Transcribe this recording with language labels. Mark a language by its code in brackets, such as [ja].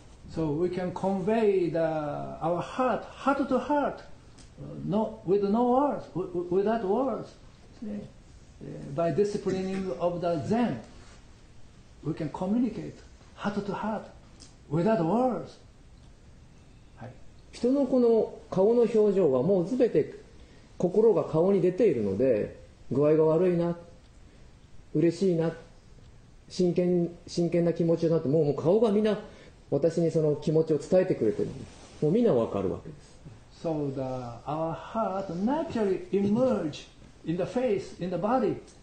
[en] So we can convey the, our heart, heart to heart, no, with no words, without words, by disciplining of the Zen, we can communicate heart to heart, without words. [ja] 人のこの顔の表情はもうすべて心が顔に出ているので、具合が悪いな、嬉しいな、真剣な気持ちになって、もう顔がみんな私にその気持ちを伝えてくれてる、もうみんなわかるわけです。 [en] So the, our heart naturally emerge in the face, in the body.